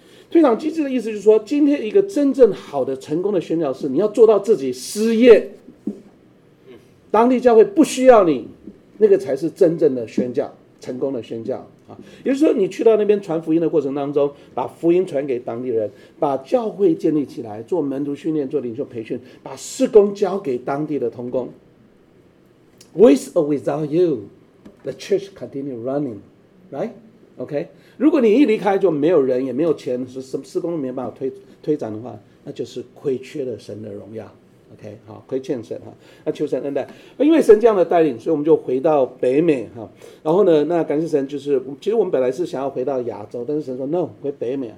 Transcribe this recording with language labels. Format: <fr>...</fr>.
<zh>退场机制的意思就是说，今天一个真正好的成功的宣教士，你要做到自己失业，当地教会不需要你，那个才是真正的宣教成功的宣教啊。也就是说，你去到那边传福音的过程当中，把福音传给当地人，把教会建立起来，做门徒训练，做领袖培训，把事工交给当地的同工。</zh> <en>With or without you， the church continue running, right?</en> <zh>OK， 如果你一离开就没有人也没有钱，什么事工都没办法 推展的话，那就是亏缺了神的荣耀。 OK， 好，亏欠神哈，那求神恩待。因为神这样的带领，所以我们就回到北美哈。然后呢，那感谢神，就是其实我们本来是想要回到亚洲，但是神说 no， 回北美。</zh>